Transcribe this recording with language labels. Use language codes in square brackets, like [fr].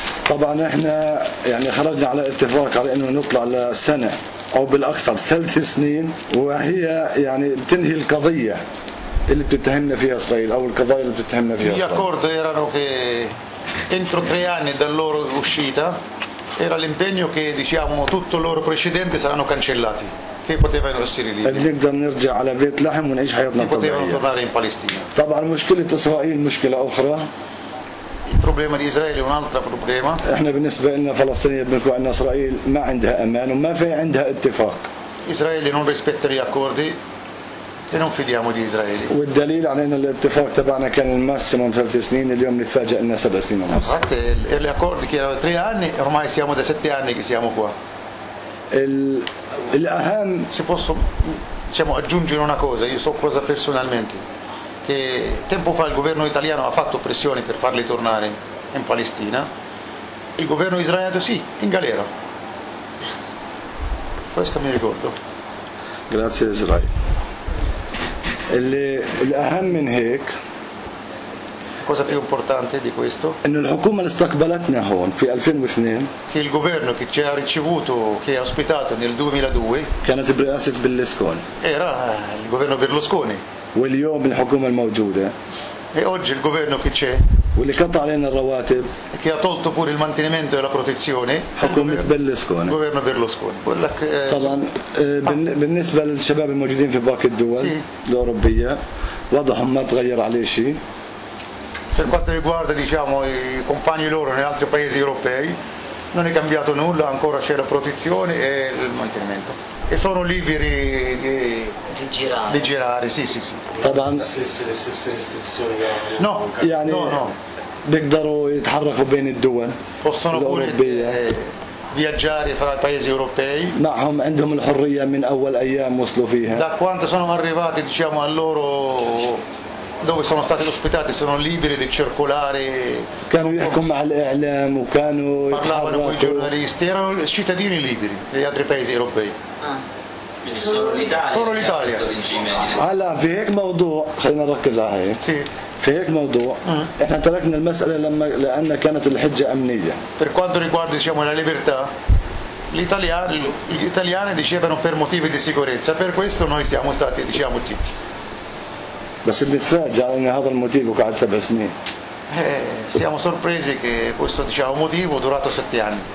[ar] طبعا احنا يعني خرجنا على اتفاق على انه نطلع لسنه او بالاكثر ثلاث سنين وهي يعني بتنهي القضيه اللي بتتهمنا فيها اسرائيل او القضايا اللي بتتهمنا فيها اسرائيل. [it] Gli accordi erano che entro tre anni dal loro uscita era l'impegno che diciamo tutto il loro precedente saranno cancellati, che potevano essere lì. [ar] اللي نقدر نرجع على بيت لحم ونعيش حياتنا طبيعية. [it] Potevano tornare in Palestina. [ar] طبعا مشكلة إسرائيل مشكلة أخرى. [it] Il problema di Israele è un altro problema. [ar] إحنا بالنسبة لنا فلسطينيين بنقول أن إسرائيل ما عندها أمان وما في عندها اتفاق. [it] Israele non rispetta gli accordi e non fidiamo di Israele. [ar] والدليل على أن الاتفاق تبعنا كان الماسيمو 3 سنين اليوم نتفاجأ أنه 7 سنين ونص. [it] Infatti gli accordi che erano 3 anni ormai siamo da 7 anni che siamo qua. [ar] الأهم [it] si posso diciamo aggiungere una cosa, io so cosa personalmente, che tempo fa il governo italiano ha fatto pressioni per farli tornare in Palestina, il governo israeliano sì, in galera, questo mi ricordo. Grazie Israele. [ar] الأهم من هيك, [it] cosa più importante di questo, [ar] ان الحكومة اللي استقبلتنا هون في 2002, [it] che il governo che ci ha ricevuto, che ha ospitato nel 2002, [ar] كانت برئاسة بيرلسكوني, [it] era il governo Berlusconi, [ar] واليوم الحكومة الموجودة, [it] e oggi il governo che c'è, [ar] واللي قطع علينا الرواتب, [it] che ha tolto pure il mantenimento e la protezione, [ar] حكومة بيرلسكوني, [it] il governo Berlusconi. طبعا بالنسبة للشباب الموجودين في باقي الدول الأوروبية وضعهم ما تغير عليه شيء. Per quanto riguarda diciamo i compagni loro negli altri paesi europei non è cambiato nulla, ancora c'è la protezione e il mantenimento e sono liberi di girare. Di girare, sì. Le stesse restrizioni che hanno. No. [ar] بيقدروا يتحركوا بين الدول. [it] Possono pure viaggiare fra i paesi europei. [ar] معهم عندهم الحرية من أول أيام وصلوا فيها. [it] Da quando sono arrivati diciamo a loro dove sono stati ospitati sono liberi di circolare, parlavano con i giornalisti, erano cittadini liberi degli altri paesi europei. Solo l'Italia. [ar] Allora, في هيك موضوع خلينا نركز على هيك. [it] Sì. [ar] في هيك موضوع احنا تركنا المسألة لأن كانت الحجة أمنية. [it] Per quanto riguarda diciamo la libertà, gli italiani dicevano per motivi di sicurezza, per questo noi siamo stati diciamo zitti. [ar] بس بنتفاجئ ان هذا الموتيف وقعد سبع سنين. [it] Siamo sorpresi che questo diciamo motivo durato 7 anni.